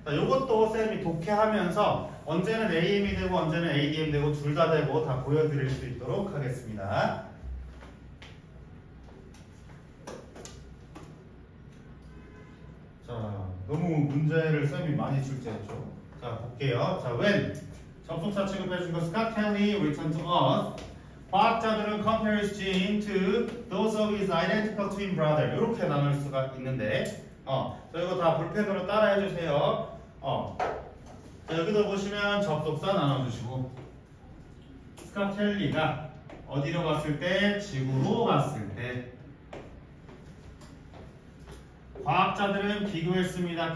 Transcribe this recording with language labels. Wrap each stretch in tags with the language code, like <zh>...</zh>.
<ko>자, 요것도 쌤이 독해하면서 언제는 AM이 되고 언제는 ADM 되고 둘 다 되고 다 보여드릴 수 있도록 하겠습니다. 자, 너무 문제를 쌤이 많이 출제했죠. 자, 볼게요. 자, when? 접속사 취급해준 것은</ko> <en>Scott Kelly returned to us.</en> <ko>과학자들은</ko> <en>compares Gene to those of his identical twin brother.</en> <ko>이렇게 나눌 수가 있는데 자, 이거 다 볼펜으로 따라해주세요. 자, 여기도 보시면 접속사 나눠주시고 Scott Kelly가 어디로 갔을 때? 지구로 갔을 때 과학자들은 비교했습니다.</ko>